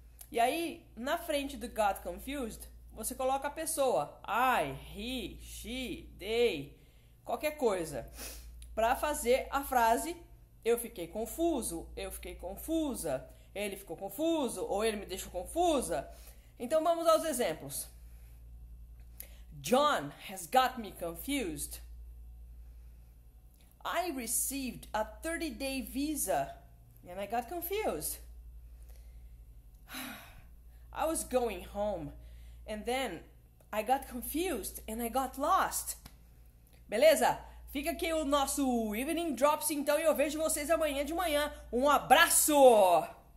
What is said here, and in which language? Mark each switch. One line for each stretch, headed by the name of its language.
Portuguese: E aí, na frente do got confused, você coloca a pessoa, I, he, she, they, qualquer coisa, para fazer a frase eu fiquei confuso, eu fiquei confusa. Ele ficou confuso ou ele me deixou confusa? Então vamos aos exemplos.
English: John has got me confused. I received a 30-day visa and I got confused. I was going home and then I got confused and I got lost.
Portuguese: Beleza? Fica aqui o nosso Evening Drops então e eu vejo vocês amanhã de manhã. Um abraço!